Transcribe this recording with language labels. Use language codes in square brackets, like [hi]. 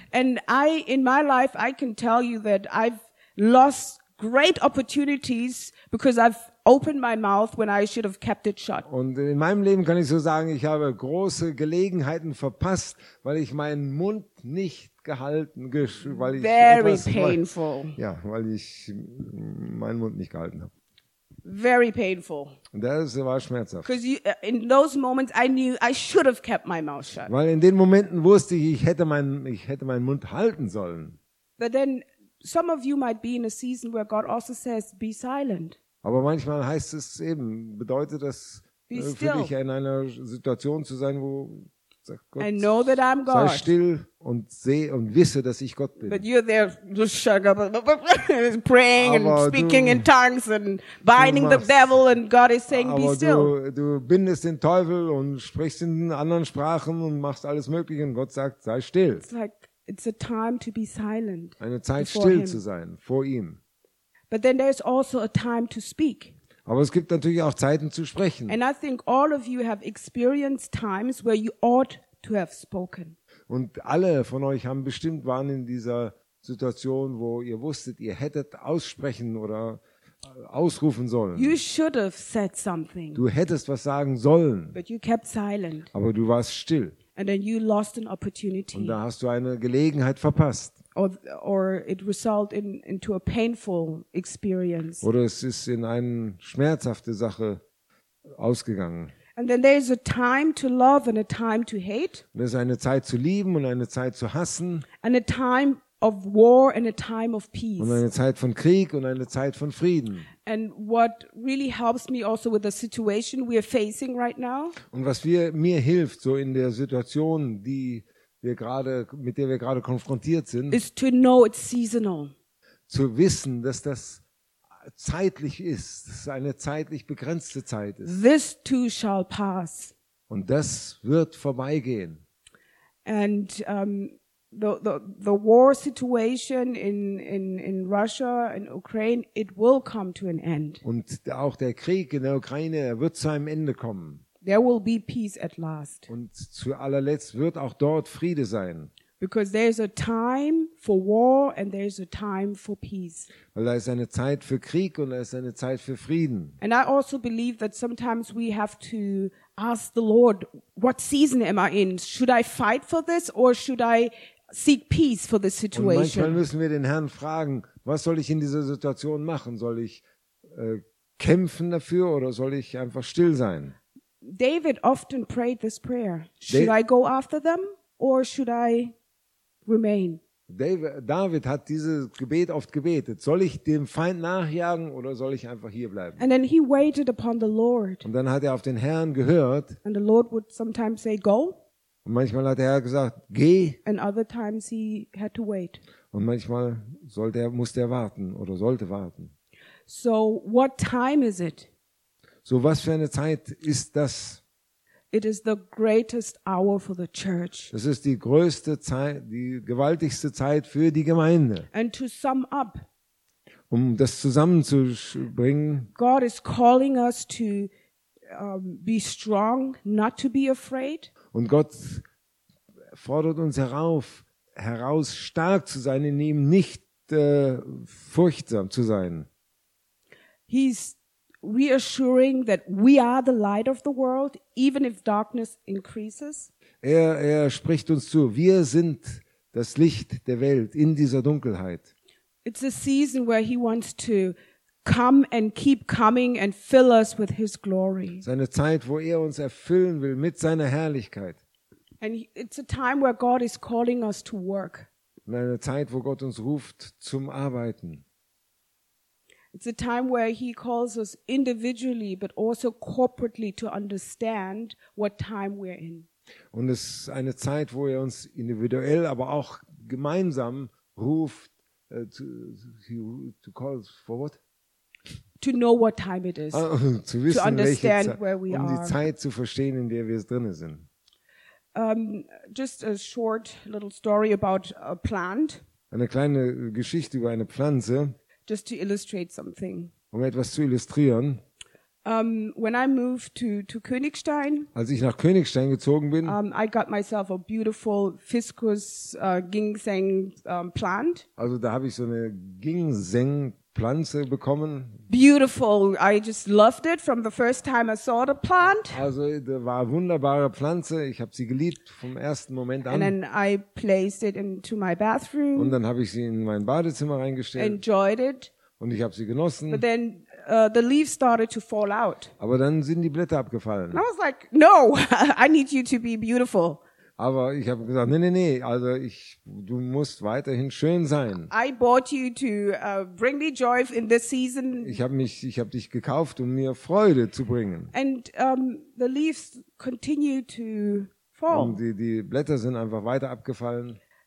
[en] And I, in my life, I can tell you that I've lost great opportunities because I've opened my mouth when I should have kept it shut. [de] Und in meinem Leben kann ich so sagen, ich habe große Gelegenheiten verpasst, weil ich meinen Mund nicht gehalten, weil ich [en] Very painful. [de] Weil ich meinen Mund nicht gehalten habe. [en] Very painful. [de] Das war schmerzhaft. [en] Because in those moments I knew I should have kept my mouth shut. [de] Weil in den Momenten wusste ich, ich hätte meinen Mund halten sollen. [en] But then some of you might be in a season where God also says be silent. [de] Aber manchmal heißt es eben, bedeutet das für dich in einer Situation zu sein, wo sagt Gott, [en] and know that I'm God. [de] Sei still und sehe und wisse, dass ich Gott bin. [en] But you're there just shut up, praying [de] aber [en] and speaking in tongues and binding the devil and God is saying be still. [de] Du bindest den Teufel und sprichst in anderen Sprachen und machst alles Mögliche und Gott sagt, sei still. [en] It's like it's a time to be silent. [de] Eine Zeit still zu sein vor ihm. [en] But then there's also a time to speak. [de] Aber es gibt natürlich auch Zeiten zu sprechen. [en] And I think all of you have experienced times where you ought to have spoken. [de] Und alle von euch haben bestimmt waren in dieser Situation, wo ihr wusstet, ihr hättet aussprechen oder ausrufen sollen. [en] You should have said something. [de] Du hättest was sagen sollen. [en] But you kept silent. [de] Aber du warst still. [en] And then you lost an opportunity. [de] Und da hast du eine Gelegenheit verpasst. [en] Or it result into a painful experience. [de] Oder es ist in eine schmerzhafte Sache ausgegangen. [en] And then there is a time to love and a time to hate. [de] Und es ist eine Zeit zu lieben und eine Zeit zu hassen. [en] And a time of war and a time of peace. [de] Und eine Zeit von Krieg und eine Zeit von Frieden. [en] And what really helps me also with the situation we are facing right now. [de] Und was mir hilft so in der Situation, mit der wir gerade konfrontiert sind, [en] is to know it's seasonal. [de] zu wissen, dass das zeitlich ist, dass es eine zeitlich begrenzte Zeit ist. [en] This too shall pass. [de] Und das wird vorbeigehen. [en] And the war situation in Russia and Ukraine, it will come to an end. [de] Und auch der Krieg in der Ukraine, er wird zu einem Ende kommen. [en] There will be peace at last. [de] Und zu allerletzt wird auch dort Friede sein. [en] Because there is a time for war and there is a time for peace. [de] Weil da ist eine Zeit für Krieg und da ist eine Zeit für Frieden. [en] And I also believe that sometimes we have to ask the Lord, what season am I in? Should I fight for this or should I seek peace for this situation? [de] Und manchmal müssen wir den Herrn fragen, was soll ich in dieser Situation machen? Soll ich kämpfen dafür oder soll ich einfach still sein? [en] David often prayed this prayer. Should I go after them or should I remain? [de] David hat dieses Gebet oft gebetet. Soll ich dem Feind nachjagen oder soll ich einfach hier bleiben? [en] And then he waited upon the Lord. [de] Und dann hat er auf den Herrn gehört. [en] And the Lord would sometimes say go. [de] Und manchmal hat der Herr gesagt, geh. [en] And other times he had to wait. [de] Und manchmal musste er warten oder sollte warten. [en] So what time is it? [de] So was für eine Zeit ist das? [en] It is the greatest hour for the church. [de] Das ist die größte Zeit, die gewaltigste Zeit für die Gemeinde. [en] And to sum up, [de] um das zusammenzubringen, [en] God is calling us to be strong, not to be afraid. [de] Und Gott fordert uns heraus stark zu sein, in ihm nicht furchtsam zu sein. [en] He's reassuring that we are the light of the world, even if darkness increases. [de] Er spricht uns zu, wir sind das Licht der Welt in dieser Dunkelheit. [en] It's a season where he wants to come and keep coming and fill us with his glory. [de] Seine Zeit, wo er uns erfüllen will mit seiner Herrlichkeit. [en] And it's a time where God is calling us to work. [de] Und eine Zeit, wo Gott uns ruft zum Arbeiten. [en] It's a time where he calls us individually but also corporately to understand what time we're in. [de] Und es ist eine Zeit, wo er uns individuell, aber auch gemeinsam ruft [en] to call for what? To know what time it is. [de] Zu wissen, [en] to understand where we are. [de] Um die Zeit zu verstehen, in der wir drin sind. [en] Just a short little story about a plant. [de] Eine kleine Geschichte über eine Pflanze. [en] Just to illustrate something. [de] Um etwas zu illustrieren. [en] When I moved to Königstein. [de] Als ich nach Königstein gezogen bin. [en] I got myself a beautiful Fiscus Ginseng plant. [de] Also da habe ich so eine Ginseng Pflanze bekommen. [en] Beautiful. I just loved it from the first time I saw the plant. [de] Also da war eine wunderbare Pflanze. Ich habe sie geliebt vom ersten Moment an. [en] And then I placed it into my bathroom. [de] Und dann habe ich sie in mein Badezimmer reingestellt. [en] Enjoyed it. [de] Und ich habe sie genossen. [en] But then the leaves started to fall out. [de] Aber dann sind die Blätter abgefallen. [en] And I was like, no, I need you to be beautiful. [de] Aber ich habe gesagt, nee, also du musst weiterhin schön sein. [en] I bought you to bring me joy in this season. [de] Ich habe dich gekauft, um mir Freude zu bringen. [en] And the leaves continue to fall. [de] Und die Blätter sind einfach weiter abgefallen.